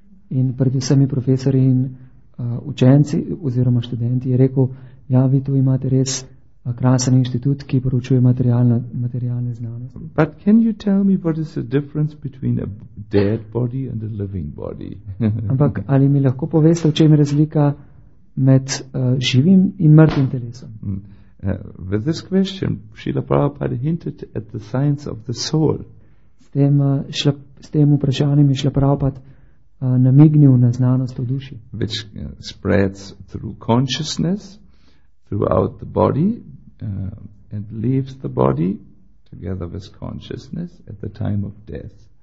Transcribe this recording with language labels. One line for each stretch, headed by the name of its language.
Slovenian: In pred vsemi profesori in učenci oziroma študenti je rekel, ja, vi tu imate res krasen inštitut, ki poručuje materialne znanosti.
English: "But can you tell me what is the difference between a dead body and a living body?"
Slovenian: Ampak ali mi lahko poveste, v čem je razlika med živim in mrtvim telesom?
English: With this question, Srila Prabhupada hinted at the science of the soul.
Slovenian: S tem vprašanjem je Srila Prabhupada namignil na znanost o duši,
English: which spreads through consciousness throughout the body and leaves the body together with consciousness at the time of death,